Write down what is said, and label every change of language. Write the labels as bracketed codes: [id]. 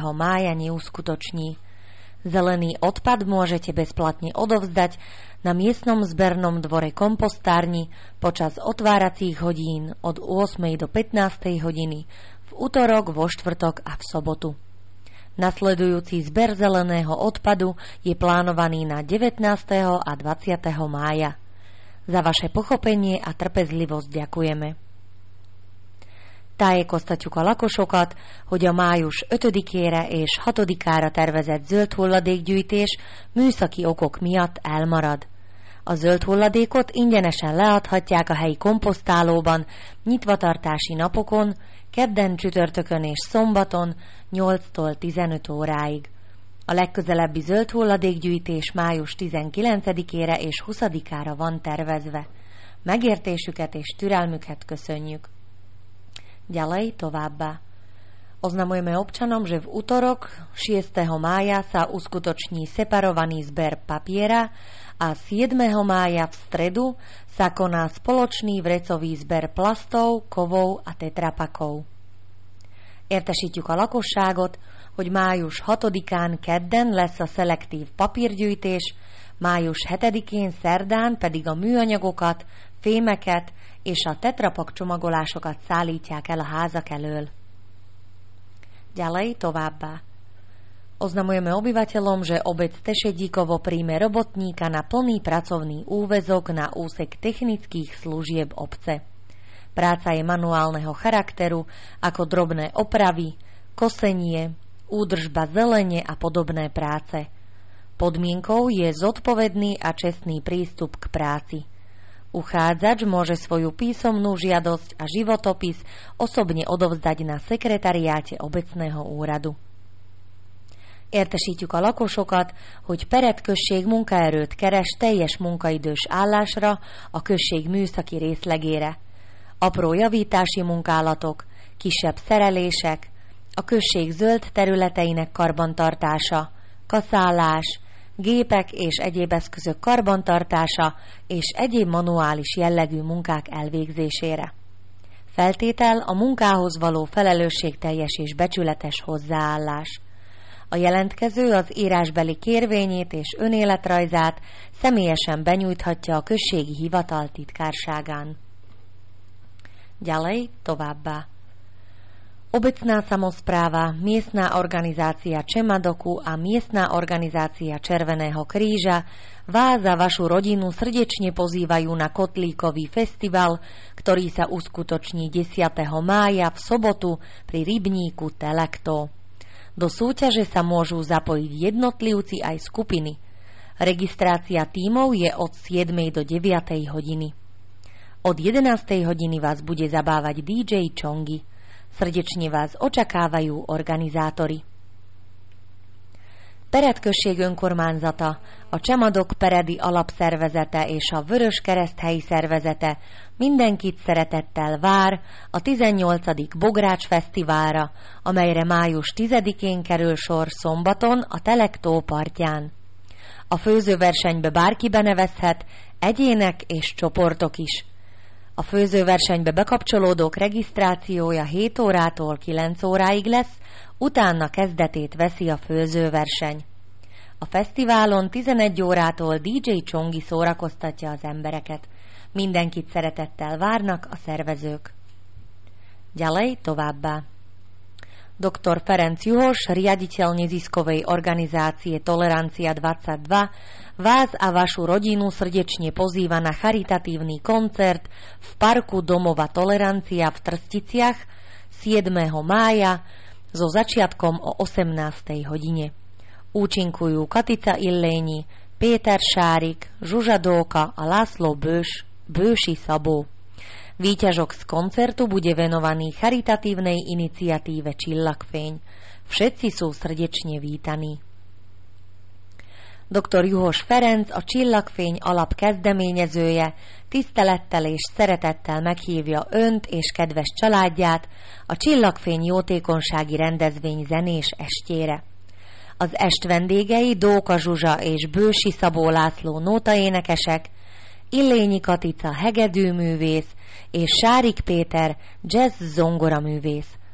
[sk] mája neuskutoční. Zelený odpad môžete bezplatne odovzdať na miestnom zbernom dvore kompostárni počas otváracích hodín od 8. do 15. hodiny v utorok, vo štvrtok a v sobotu. Nasledujúci zber zeleného odpadu je plánovaný na 19. a 20. mája. Za vaše pochopenie a trpezlivosť ďakujeme. [hu] Táje kostatjuk a lakosokat, hogy a május 5-ére és 6-ára tervezett zöld hulladékgyűjtés műszaki okok miatt elmarad. A zöld hulladékot ingyenesen leadhatják a helyi komposztálóban nyitvatartási napokon, kedden, csütörtökön és szombaton 8-tól 15 óráig. A legközelebbi zöld hulladékgyűjtés május 19-ére és 20-ára van tervezve. Megértésüket és türelmüket köszönjük. [sk] Ďalej [hu] továbbá. [sk] Oznamujeme občanom, že v utorok 6. mája sa uskutoční separovaný zber papiera a 7. mája v stredu sa koná spoločný vrecový zber plastov, kovov a tetrapakov. [hu] Értesítjük a lakosságot, hogy május 6-án kedden lesz a szelektív papírgyűjtés, május 7-én szerdán pedig a műanyagokat, fémeket és a tetrapak csomagolásokat szállítják el a házak elől. [sk] Ďalej [hu] továbbá. [sk] Oznamujeme obyvateľom, že obec Tešedíkovo príjme robotníka na plný pracovný úväzok na úsek technických služieb obce. Práca je manuálneho charakteru, ako drobné opravy, kosenie, údržba zelene a podobné práce. Podmienkou je zodpovedný a čestný prístup k práci. Uchádzač môže svoju písomnú žiadosť a životopis osobne odovzdať na sekretariáte obecného úradu. [hu] Értesítjük a lakosokat, hogy perek község munkaerőt keres teljes munkaidős állásra a község műszaki részlegére. Apró javítási munkálatok, kisebb szerelések, a község zöld területeinek karbantartása, kaszálás, gépek és egyéb eszközök karbantartása és egyéb manuális jellegű munkák elvégzésére. Feltétel a munkához való felelősségteljes és becsületes hozzáállás. A jelentkező az írásbeli kérvényét és önéletrajzát személyesen benyújthatja a községi hivatal titkárságán. [sk] Ďalej [hu] továbbá. [sk] Obecná samospráva, miestna organizácia Čemadoku a miestna organizácia Červeného kríža vás a vašu rodinu srdečne pozývajú na kotlíkový festival, ktorý sa uskutoční 10. mája v sobotu pri rybníku Telekto. Do súťaže sa môžu zapojiť jednotlivci aj skupiny. Registrácia tímov je od 7. do 9. hodiny. Od 11. hodiny vás bude zabávať DJ Čongi. Srdečne vás očakávajú organizátori. [hu] Peredkösség önkormányzata, a Csemadok Peredi alapszervezete és a Vörös Kereszt helyi szervezete mindenkit szeretettel vár a 18. Bogrács Fesztiválra, amelyre május 10-én kerül sor szombaton a Telektó partján. A főzőversenybe bárki benevezhet, egyének és csoportok is. A főzőversenybe bekapcsolódók regisztrációja 7 órától 9 óráig lesz, utána kezdetét veszi a főzőverseny. A fesztiválon 11 órától DJ Csongi szórakoztatja az embereket. Mindenkit szeretettel várnak a szervezők. [sk] Ďalej [hu] továbbá. [sk] Dr. Ferenc Juhos, riaditeľ neziskovej organizácie Tolerancia 22, vás a vašu rodinu srdečne pozýva na charitatívny koncert v parku Domova Tolerancia v Trsticiach 7. mája so začiatkom o 18. hodine. Účinkujú Katica Illényi, Péter Šárik, Zsuzsa Dóka a László Bősi Szabó. Výťažok z koncertu bude venovaný charitatívnej iniciatíve Čillagfény. Všetci sú srdečne vítaní. Dr. [hu] Juhos Ferenc, a Csillagfény alap kezdeményezője, tisztelettel és szeretettel meghívja önt és kedves családját a Csillagfény jótékonysági rendezvény zenés estjére. Az est vendégei Dóka Zsuzsa és Bősi Szabó László nótaénekesek, Illényi Katica hegedűművész és Sárik Péter jazz zongoraművész.